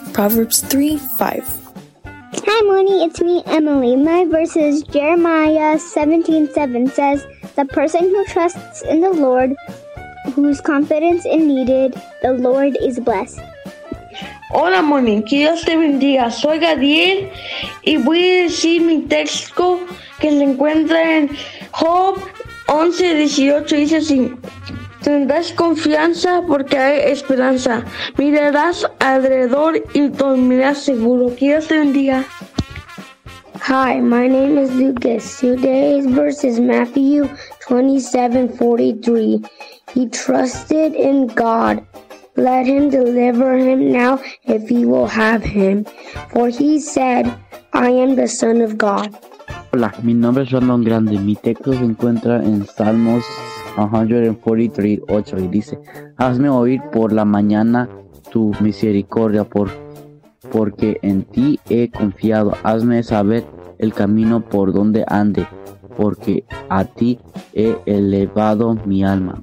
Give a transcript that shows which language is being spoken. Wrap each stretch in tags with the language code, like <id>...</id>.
<en>Proverbs 3:5. Hi, Moni. It's me, Emily. My verse is Jeremiah 17:7 says, the person who trusts in the Lord, whose confidence is needed, the Lord is blessed.</en> <es>Hola, Moni. Que Dios te bendiga. Soy Gadiel y voy a decir mi texto que se encuentra en Job 11:18 dice así: tendrás confianza porque hay esperanza. Mirarás alrededor y dormirás seguro. Que Dios te bendiga.</es> <en>Hi, my name is Lucas. Today's verse is Matthew 27:43. He trusted in God. Let him deliver him now if he will have him. For he said, I am the Son of God.</en> <es>Hola, mi nombre es Rondon Grande. Mi texto se encuentra en Salmos 143:8 y dice: hazme oír por la mañana tu misericordia, porque en ti he confiado. Hazme saber el camino por donde ande, porque a ti he elevado mi alma.</es>